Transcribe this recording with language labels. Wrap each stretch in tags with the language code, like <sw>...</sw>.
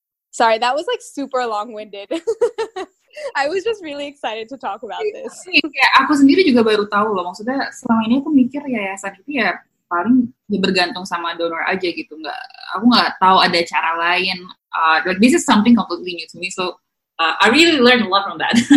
<en>Sorry, that was like super long-winded. I was just really excited to talk about this.</en> <id>Kayak aku sendiri juga baru tahu loh, maksudnya selama ini aku mikir yayasan itu ya paling bergantung sama donor aja gitu. Aku nggak tahu ada cara lain.</id> <en>Like this is something completely new to me, so I really learned a lot from that.</en>